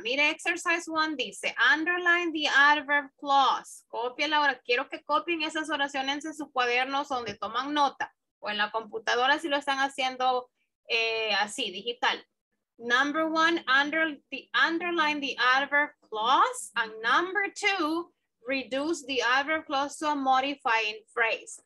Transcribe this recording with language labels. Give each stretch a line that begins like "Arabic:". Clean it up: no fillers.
Spanish: Mire,
English: exercise one
Spanish: dice,
English: underline the adverb clause.
Spanish: Copien la oración. Quiero que copien esas oraciones en sus cuadernos donde toman nota, o en la computadora si lo están haciendo así, digital.
English: Number one, underline the adverb clause. And number two, reduce the adverb clause to a modifying phrase.